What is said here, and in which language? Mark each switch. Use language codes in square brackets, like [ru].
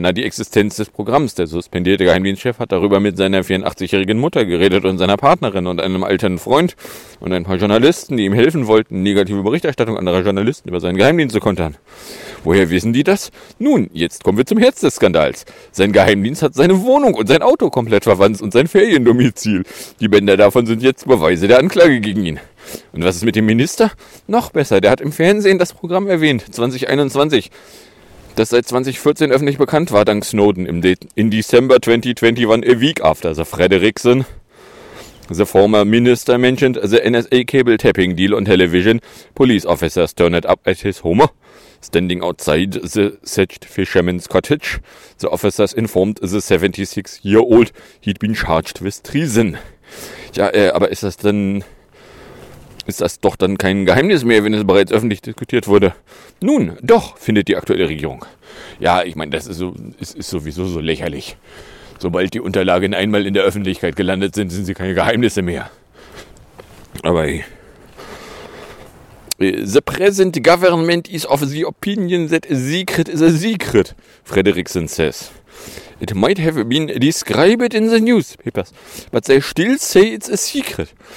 [de] Na, die Existenz des Programms. Der suspendierte Geheimdienstchef hat darüber mit seiner 84-jährigen Mutter geredet und seiner Partnerin und einem alten Freund und ein paar Journalisten, die ihm helfen wollten, negative Berichterstattung anderer Journalisten über seinen Geheimdienst zu kontern. Woher wissen die das? Nun, jetzt kommen wir zum Herz des Skandals. Sein Geheimdienst hat seine Wohnung und sein Auto komplett verwanzt und sein Feriendomizil. Die Bänder davon sind jetzt Beweise der Anklage gegen ihn. Und was ist mit dem Minister? Noch besser, der hat im Fernsehen das Programm erwähnt, 2021. Das seit 2014 öffentlich bekannt war, dank Snowden, [en] in December 2021, a week after the Frederiksen, the former minister mentioned the NSA cable tapping deal on television, police officers turned up at his home, standing outside the thatched fisherman's cottage, the officers informed the 76-year-old he'd been charged with treason. [de] Ja, aber ist das doch dann kein Geheimnis mehr, wenn es bereits öffentlich diskutiert wurde? Nun, doch, findet die aktuelle Regierung. Ja, ich meine, das ist sowieso so lächerlich. Sobald die Unterlagen einmal in der Öffentlichkeit gelandet sind, sind sie keine Geheimnisse mehr. Aber [en] the present government is of the opinion that a secret is a secret, Frederiksen says. It might have been described in the newspapers, but they still say it's a secret.